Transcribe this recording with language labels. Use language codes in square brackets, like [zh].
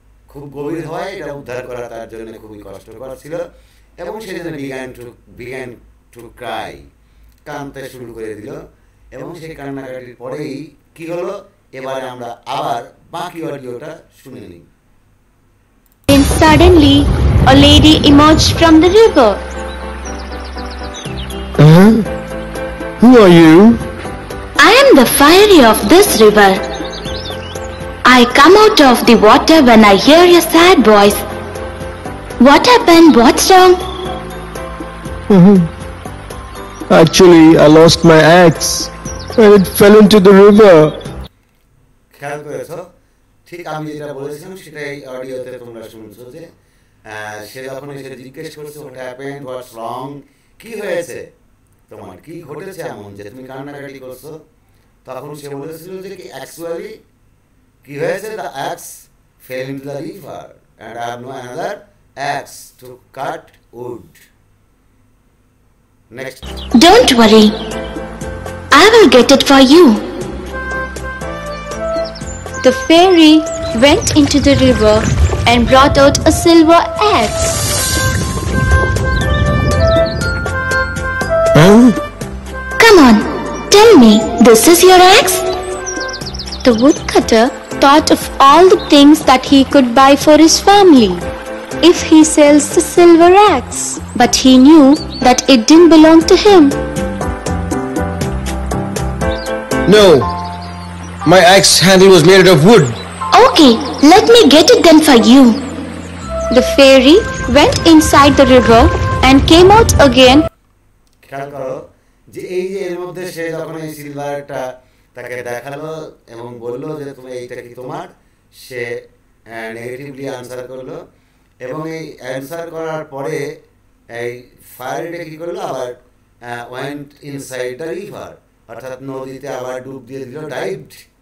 [bn] খুব গভীর হয়, এটা উদ্ধার করা তার জন্য খুবই কষ্টকর ছিল এবং সে যেন [en] began to cry, [bn] কান্দতে শুরু করে দিল। এবং সেই কান্নাকাটির পরেই কি হলো, এবারে আমরা আবার বাকি অডিওটা শুনে নিই। [en] Then suddenly a lady emerged from the river. Who are you? I am the fiery of this river. I come out of the water when I hear your sad voice. What happened? What's wrong? Actually, I lost my axe. and it fell into the river. [bn] খেয়াল করেছো ঠিক আমি যেটা বলেছিলাম সেটাই অডিওতে তোমরা শুনছো যে সে যখন এসে জিজ্ঞেস করছে [en] what happened what's wrong [bn] কি হয়েছে তোমার কি ঘটেছে এমন যে তুমি কান্নাকাটি করছো তখন সে বলেছিল যে কি অ্যাকচুয়ালি কি হয়েছে [en] The axe fell in the river and I have no another axe to cut wood next don't worry I will get it for you The fairy went into the river and brought out a silver axe. Huh? Come on, tell me, this is your axe? The woodcutter thought of all the things that he could buy for his family if he sells the silver axe, but he knew that it didn't belong to him. No. My axe handle was made out of wood. Okay, let me get it then for you. The fairy went inside the river and came out again. [bn] খেয়াল করো যে এই যে এর মধ্যে সে যখন এই সিলভারটা তাকে দেখালো এবং বললো যে তুমি এইটা কি তোমার সে নেগেটিভলি আনসার করলো এবং এই আনসার করার পরে এই ফায়ারটা কি করলো আবার [en] went inside the river [bn] অর্থাৎ নদীতে আবার ডুব দিয়ে দিল ডাইভড